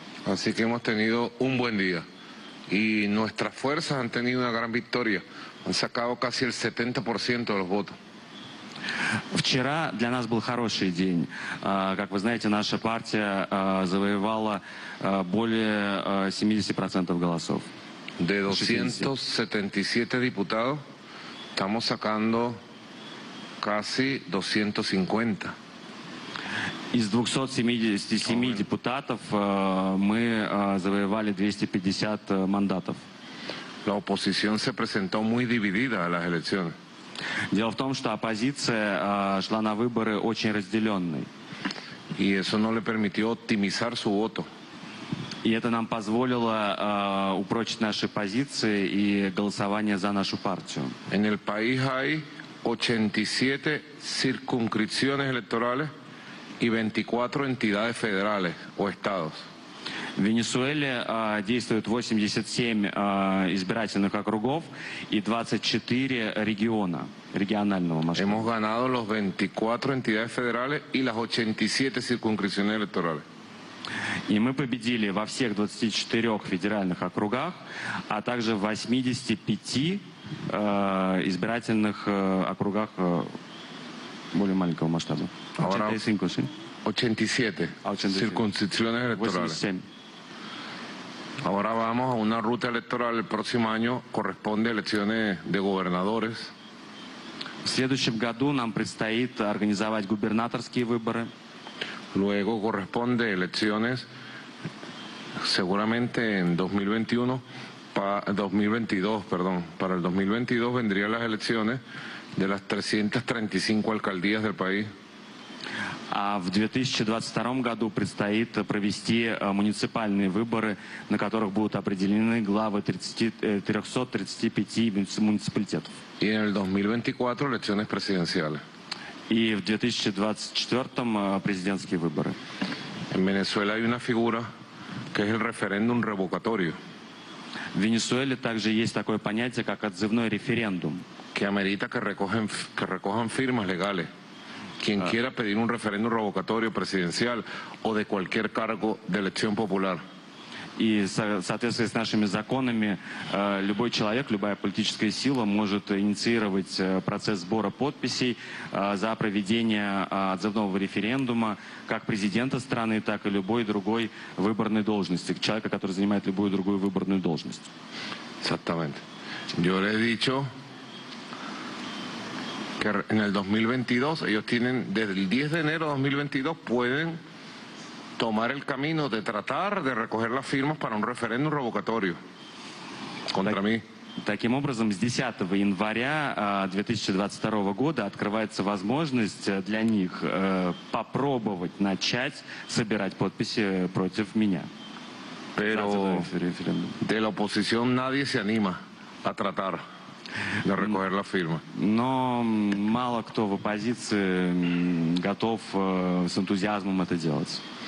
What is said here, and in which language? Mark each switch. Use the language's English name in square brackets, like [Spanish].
[Spanish] Así que hemos tenido un buen día. y nuestras fuerzas han tenido una gran victoria. Han sacado casi el 70% de los votos. [Russian] Вчера для нас был хороший день. Как вы знаете, наша партия завоевала более 70% голосов. [Spanish] De 277 diputados, estamos sacando casi 250. [Russian] Из 277 депутатов мы завоевали 250 мандатов. [Spanish] La oposición se presentó muy dividida a las elecciones. [Russian] Дело в том, что оппозиция шла на выборы очень разделенной. И [Spanish] eso no le permitió optimizar su voto. [Russian] И это нам позволило упрочить наши позиции и голосование за нашу партию. [Spanish] En el país hay 87 circunscripciones electorales y 24 entidades federales o estados. [Russian] В Венесуэле действует 87 избирательных округов и 24 региона, регионального масштаба. [Spanish] Hemos ganado los 24 entidades federales y las 87 circunscripciones electorales. [Russian] И мы победили во всех 24 федеральных округах, а также в 85 избирательных округах более маленького масштаба. [Spanish] 85, sí. 87. 87 circunscripciones electorales. 87. Ahora vamos a una ruta electoral. El próximo año corresponde a elecciones de gobernadores. [Russian] В следующем году нам предстоит организовать губернаторские выборы. [Spanish] Luego corresponde elecciones, seguramente en 2021, para el 2022 vendrían las elecciones de las 335 alcaldías del país. [Russian] А в 2022 году предстоит провести муниципальные выборы, на которых будут определены главы 335 муниципалитетов. И в 2024 [Spanish] elecciones presidenciales. [Russian] И в 2024 президентские выборы. [Spanish] En Venezuela hay una figura que es el referéndum revocatorio. [Russian] В Венесуэле также есть такое понятие, как отзывной референдум. [Spanish] Que amerita que recojan firmas legales. Quien quiera pedir un referéndum revocatorio presidencial o de cualquier cargo de elección popular. Y, [Russian] соответственно, с нашими законами, любой человек, любая политическая сила может инициировать процесс сбора подписей за проведение отзывного референдума как президента страны, так и любой другой выборной должности, человека, который занимает любую другую выборную должность. [Spanish] Exactamente. Yo le he dicho... que en el 2022 ellos tienen desde el 10 de enero de 2022 pueden tomar el camino de tratar de recoger las firmas para un referéndum revocatorio contra mí. [Russian] Таким образом, с 10 января 2022 года открывается возможность для них попробовать начать собирать подписи против меня. [Spanish] Pero de la oposición nadie se anima a tratar. De recoger la firma. [Russian] Но мало кто в оппозиции готов с энтузиазмом это делать.